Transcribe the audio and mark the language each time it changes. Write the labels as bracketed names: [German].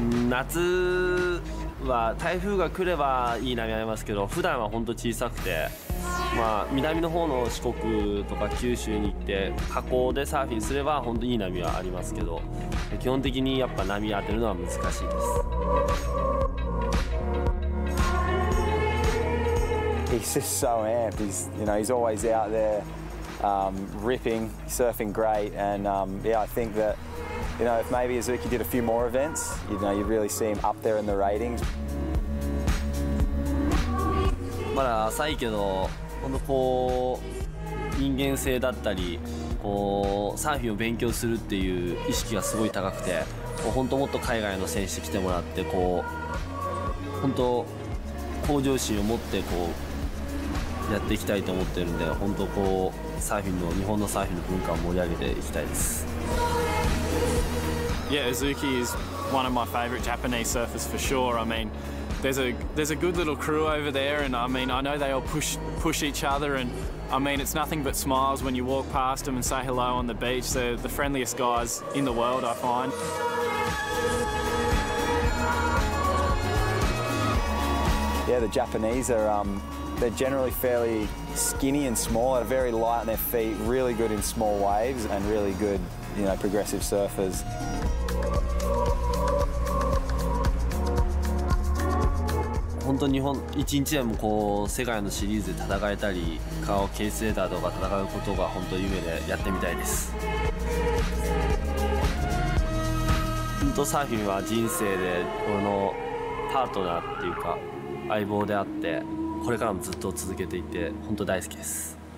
[Japanese] 夏は台風が来ればいい波ありますけど、普段は本当小さくて、まあ南の方の四国とか九州に行って河口でサーフィンすれば本当いい波はありますけど、基本的にやっぱ波当てるのは難しいです。 [English] He's just so amped. He's, you know, he's always out there ripping, surfing great, and I think that, you know, if maybe Azuki did a few more events, you know, you'd really see him up there in the ratings. [Japanese] まだ浅いけど、本当こう人間性だったり、こうサーフィンを勉強するっていう意識がすごい高くて、本当もっと海外の選手来てもらって、こう本当向上心を持ってこうやっていきたいと思ってるんで、本当こうサーフィンの日本のサーフィンの文化を盛り上げていきたいです。 [English] Yeah, Azuki is one of my favorite Japanese surfers for sure. I mean. There's a good little crew over there, and I mean, I know they all push each other, and I mean, it's nothing but smiles when you walk past them and say hello on the beach. They're the friendliest guys in the world, I find. Yeah, the Japanese are, they're generally fairly skinny and small, and very light on their feet, really good in small waves, and really good, you know, progressive surfers. [Japanese] 本当に日本一日でもこう世界のシリーズで戦えたり、カオケースレーダーとか戦うことが本当夢でやってみたいです。本当サーフィンは人生で俺のパートナーっていうか相棒であって、これからもずっと続けていて本当大好きです。